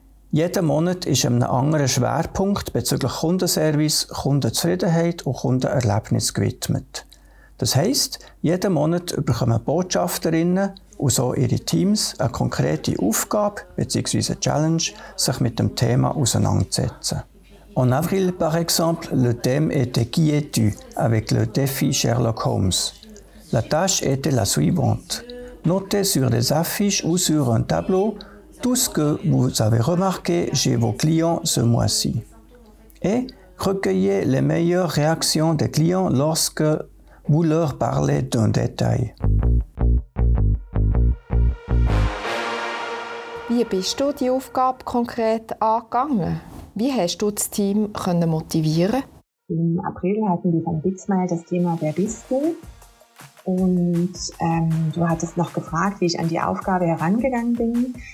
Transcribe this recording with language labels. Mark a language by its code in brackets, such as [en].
[de] Jeden Monat ist an einem anderen Schwerpunkt bezüglich Kundenservice, Kundenzufriedenheit und Kundenerlebnis gewidmet. Das heisst, jeden Monat bekommen Botschafterinnen und so ihre Teams eine konkrete Aufgabe bzw. Challenge, sich mit dem Thema auseinanderzusetzen. [fr] En avril, par exemple, le thème était qui es-tu avec le défi Sherlock Holmes. La tâche était la suivante. Notez sur des affiches ou sur un tableau tout ce que vous avez remarqué chez vos clients ce mois-ci. Et recueillez les meilleures réactions des clients lorsque vous leur parlez d'un détail. [de] Wie bist du die Aufgabe konkret angegangen? Wie hast du das Team können motivieren? Im April hatten wir von bigsmile das Thema Wer bist du? Und du hattest noch gefragt, wie ich an die Aufgabe herangegangen bin.